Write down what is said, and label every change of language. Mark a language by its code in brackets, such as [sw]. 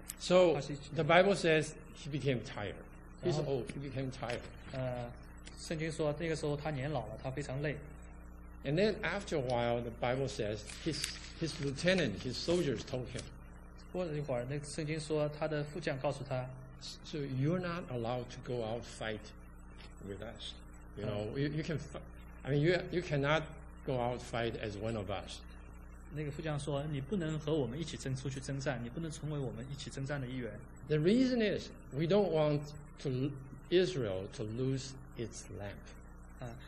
[en] So the Bible says he became tired. He's old. He became tired. [zh] 圣经说那个时候他年老了，他非常累。 [en] And then after a while, the Bible says his lieutenant, his soldiers told him. [zh] 过了一会儿，那圣经说他的副将告诉他。 [en] So you're not allowed to go out fight with us. You know, you can, I mean, you cannot go out fight as one of us. [zh] 那个副将说，你不能和我们一起出去征战，你不能成为我们一起征战的一员。 [en] The reason is we don't want Israel to lose its lamp.